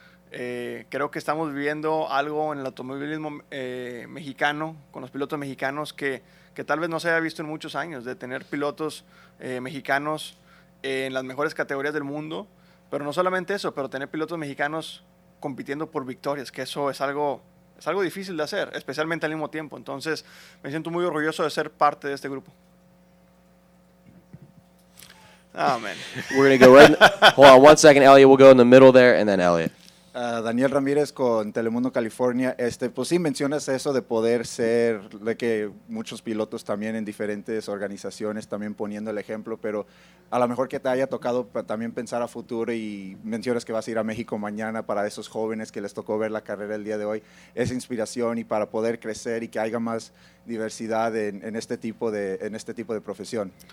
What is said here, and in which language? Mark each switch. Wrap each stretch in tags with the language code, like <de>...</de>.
<es>Creo que estamos viviendo algo en el automovilismo mexicano, con los pilotos mexicanos, que tal vez no se haya visto en muchos años, de tener pilotos mexicanos en las mejores categorías del mundo. Pero no solamente eso, pero tener pilotos mexicanos compitiendo por victorias, que eso es algo difícil de hacer, especialmente al mismo tiempo. Entonces, me siento muy orgulloso de ser parte de este grupo.</es> <en>Oh, man. We're going to go right. Hold on 1 second, Elliot. We'll go in the middle there and then Elliot.</en> <es>Daniel Ramírez con Telemundo California. Pues sí, mencionas eso de poder ser, de que muchos pilotos también en diferentes organizaciones también poniendo el ejemplo, pero a lo mejor que te haya tocado también pensar a futuro y mencionas que vas a ir a México mañana para esos jóvenes que les tocó ver la carrera el día de hoy, esa inspiración y para poder crecer y que haya más diversidad en este tipo de profesión.</es>